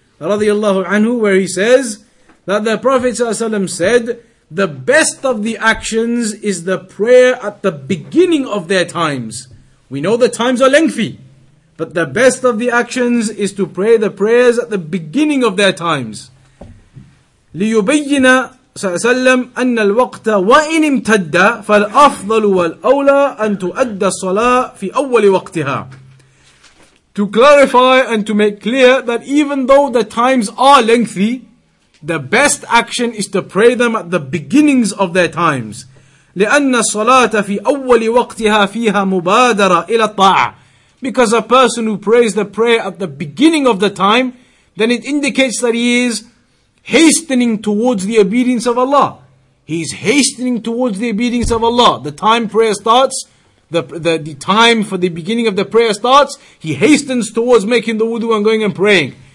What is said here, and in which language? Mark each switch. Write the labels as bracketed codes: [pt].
[en] radiallahu anhu, where he says that the Prophet said, the best of the actions is the prayer at the beginning of their times. We know the times are lengthy, but the best of the actions is to pray the prayers at the beginning of their times. [ar] لِيُبَيِّنَ صلى الله عليه وسلم أن الوقت وإن امتد فالأفضل والأولى أن تؤدى الصلاة في أول وقتها. [en] To clarify and to make clear that even though the times are lengthy, the best action is to pray them at the beginnings of their times. [ar] لأن الصلاة في أول وقتها فيها مبادرة إلى الطاعة. [en] Because a person who prays the prayer at the beginning of the time, then it indicates that he is hastening towards the obedience of Allah. He's hastening towards the obedience of Allah. The time prayer starts, the time for the beginning of the prayer starts, he hastens towards making the wudu and going and praying.